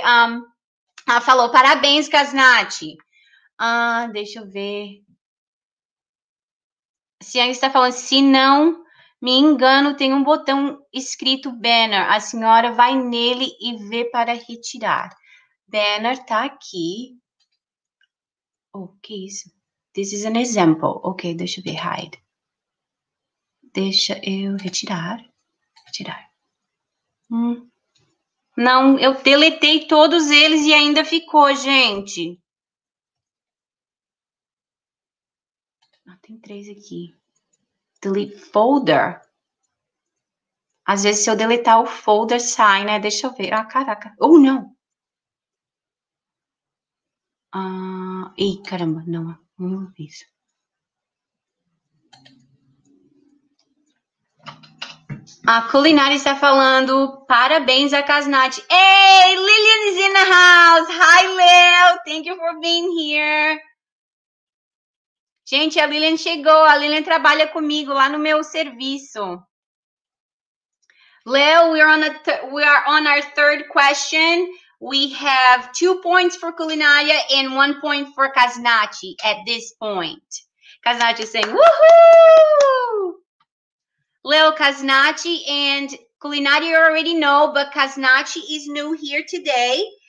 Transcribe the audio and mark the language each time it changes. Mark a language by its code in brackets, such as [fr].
[pt] ela falou, parabéns, Kasnat. Deixa eu ver. A Siang está falando, se não me engano, tem um botão escrito banner. A senhora vai nele e vê para retirar. Banner está aqui. [en] Okay, so this is an example. [pt] Okay, deixa eu ver, hide. Deixa eu retirar. Retirar. Não, eu deletei todos eles e ainda ficou, gente. Ah, tem três aqui. [en] Delete folder. [pt] Às vezes, se eu deletar o folder, sai, né? Deixa eu ver. Ah, caraca. Oh, não. Ih, caramba, não. Não é isso. A culinária está falando. Parabéns a Kasnath. [en] Hey, Lillian is in the house. Hi, Lil. Thank you for being here. [pt] Gente, a Lillian chegou. A Lillian trabalha comigo lá no meu serviço. [en] Leo, we are on our third question. We have 2 points for Culinária and 1 point for Kasnath at this point. Kasnath is saying, woohoo! Leo, Kasnath and Culinária, you already know, but Kasnath is new here today.